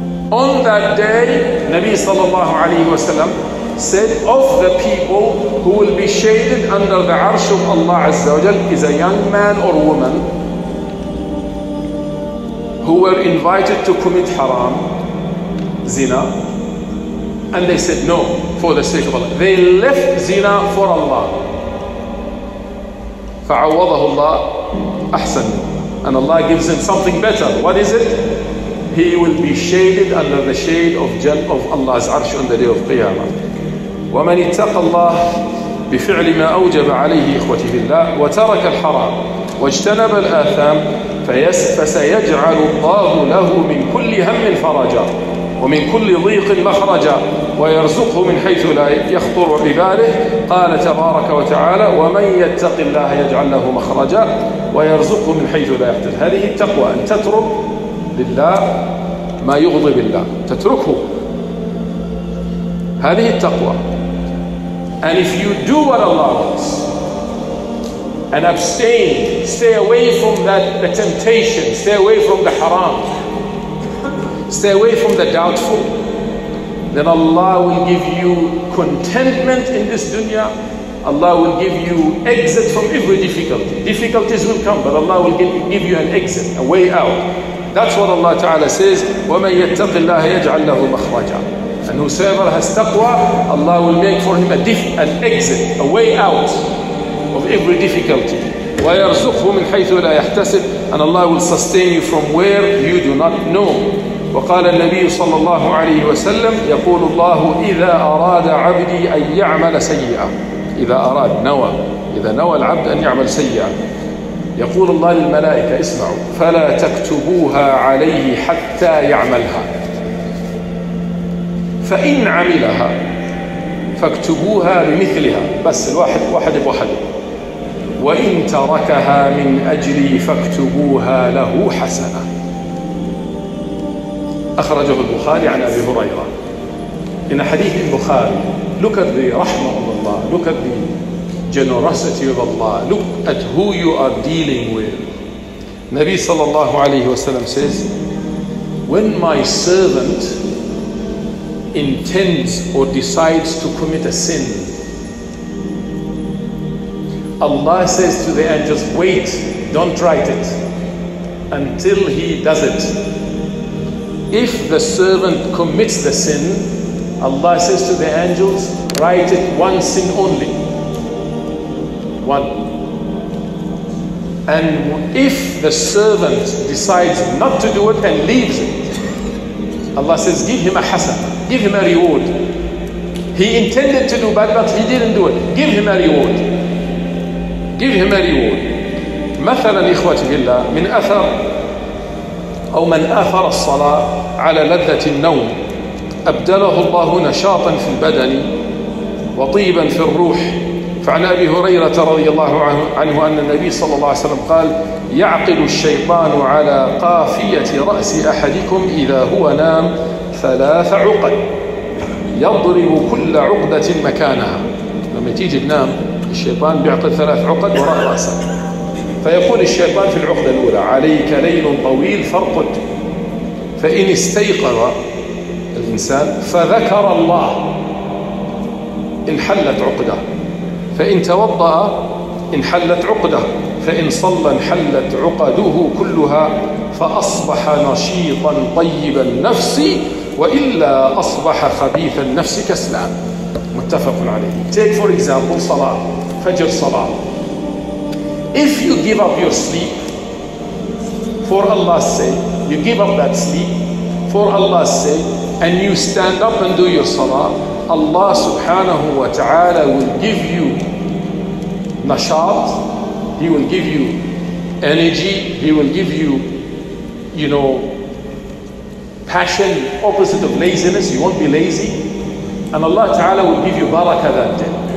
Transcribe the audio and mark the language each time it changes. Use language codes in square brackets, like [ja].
[en] On that day, Nabi sallallahu alayhi wasalam said, of the people who will be shaded under the arsh of Allah Azza wa Jal is a young man or woman who were invited to commit haram, zina, and they said no for the sake of Allah. They left zina for Allah. [ar] فَعَوَّضَهُ اللَّهُ أَحْسَنُ. [en] And Allah gives him something better. What is it? He will be shaded under the shade of Allah's arsh on the day of Qiyamah. [ar] ومن اتقى الله بفعل ما أوجب عليه إخوتي بالله وترك الحرام واجتنب الآثام فسيجعل الله له من كل هم فرجا ومن كل ضيق مخرجا ويرزقه من حيث لا يخطر بباله. قال تبارك وتعالى ومن يتق الله يجعل له مخرجا ويرزقه من حيث لا يحتسب. هذه التقوى, أن تترك لله ما يغضب الله, تتركه. هذه التقوى. [en] And if you do what Allah wants, and abstain. Stay away from that, the temptation. Stay away from the haram. Stay away from the doubtful. Then Allah will give you contentment in this dunya. Allah will give you exit from every difficulty. Difficulties will come, but Allah will give you an exit, a way out. That's what Allah Ta'ala says, [ar] وَمَنْ يَتَّقِ اللَّهَ يَجْعَلْ لَهُ مَخْرَجًا. [en] And whosoever has taqwa, Allah will make for him an exit, a way out of every difficulty. [ar] وَيَرْزُقْهُ مِنْ حَيْثُ لَا يَحْتَسِبْ. [en] And Allah will sustain you from where you do not know. [ar] وقال النبي صلى الله عليه وسلم يقول الله إذا أراد عبدي أن يعمل سيئا. إذا أراد نوى, إذا نوى العبد أن يعمل سيئا, يقول الله للملائكة اسمعوا, فلا تكتبوها عليه حتى يعملها, فإن عملها فاكتبوها بمثلها, بس الواحد واحد بواحد, وإن تركها من أجلي فاكتبوها له حسنة. أخرجه البخاري عن أبي هريرة. [en] In a hadith in Bukhari, look at the rahmah of Allah, look at the generosity of Allah, look at who you are dealing with. Nabi sallallahu alayhi wa sallam says, when my servant intends or decides to commit a sin, Allah says to the angels, wait, don't write it until he does it. If the servant commits the sin, Allah says to the angels, write it one sin only. One. And if the servant decides not to do it and leaves it, Allah says, give him a hasan, give him a reward. He intended to do bad, but he didn't do it. Give him a reward. Give him a reward. [ar] مثلاً إخوتي في الله من أثر أو من آثر الصلاة على لذة النوم أبدله الله نشاطا في البدن وطيبا في الروح. فعن أبي هريرة رضي الله عنه أن النبي صلى الله عليه وسلم قال, يعقل الشيطان على قافية رأس أحدكم إذا هو نام ثلاث عقد, يضرب كل عقدة مكانها. لما تيجي تنام الشيطان بيعقل ثلاث عقد وراء رأسك, فيقول الشيطان في العقدة الأولى, عليك ليل طويل فارقد. فإن استيقظ الإنسان فذكر الله انحلت عقدة, فإن توضأ انحلت عقدة, فإن صلى انحلت عقده كلها, فأصبح نشيطا طيب النفس وإلا أصبح خبيث النفس كسلان. متفق عليه. [en] Take for example صلاة, فجر صلاة. If you give up your sleep for Allah's sake, you give up that sleep for Allah's sake, and you stand up and do your salah, Allah subhanahu wa ta'ala will give you nashat, He will give you energy, He will give you, you know, passion, opposite of laziness, you won't be lazy, and Allah ta'ala will give you barakah that day.